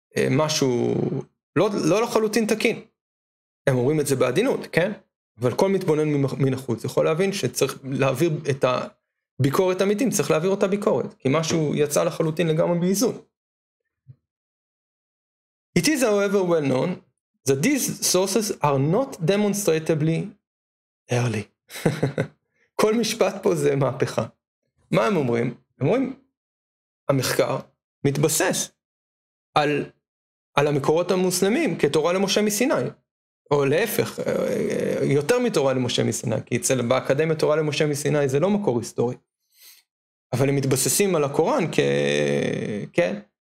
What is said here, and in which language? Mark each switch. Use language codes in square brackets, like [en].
[he] משהו לא לחלוטין תקין. הם אומרים את זה בעדינות, כן? אבל כל מתבונן מן החוץ יכול להבין שצריך להעביר את הביקורת אמיתית, צריך להעביר אותה ביקורת, כי משהו יצא לחלוטין לגמרי באיזון. [en] It is however well known that these sources are not demonstrably early. [he] כל משפט פה זה מהפכה. מה הם אומרים? הם אומרים, המחקר מתבסס על המקורות המוסלמים כתורה למשה מסיני, או להפך, יותר מתורה למשה מסיני, כי אצל באקדמיה תורה למשה מסיני זה לא מקור היסטורי, אבל הם מתבססים על הקוראן, כן?